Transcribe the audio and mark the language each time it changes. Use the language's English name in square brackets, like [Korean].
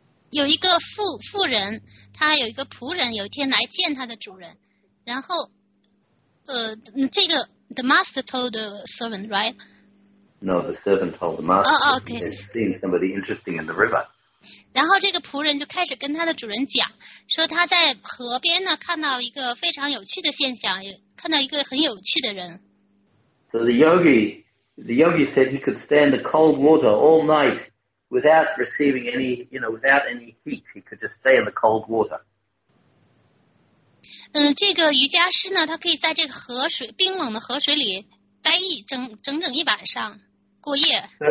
[Chinese] 有一个妇人，他有一个仆人，有一天来见他的主人，然后，这个 [English] the master told the servant, right? No, the servant told the master. Oh, okay. He had seen somebody interesting in the river. [Chinese] 然后这个仆人就开始跟他的主人讲，说他在河边呢看到一个非常有趣的现象，看到一个很有趣的人。 [English] So the yogi said he could stand the cold water all night without receiving any, you know, without any heat. He could just stay in the cold water. [Chinese] 这个瑜伽师呢，他可以在这个河水冰冷的河水里待一整整一晚上过夜。